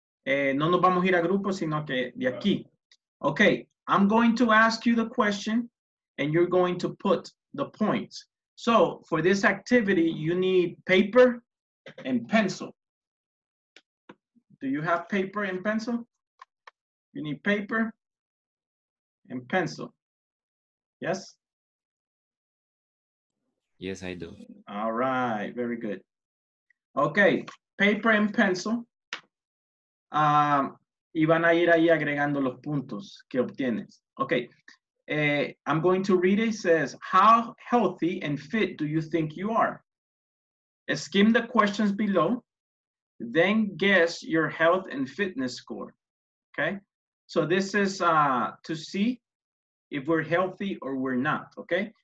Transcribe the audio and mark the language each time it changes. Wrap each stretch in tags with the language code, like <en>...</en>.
<es>No nos vamos a ir a grupos, sino que de aquí.</es> <en>Okay, I'm going to ask you the question, and you're going to put the points. So for this activity, you need paper and pencil. Do you have paper and pencil? You need paper and pencil. Yes? Yes, I do. All right, very good. Okay, paper and pencil.</en> <es>Y van a ir ahí agregando los puntos que obtienes.</es> <en>Okay, I'm going to read it. It says, how healthy and fit do you think you are? Skim the questions below, then guess your health and fitness score. Okay, so this is to see if we're healthy or we're not, okay?</en>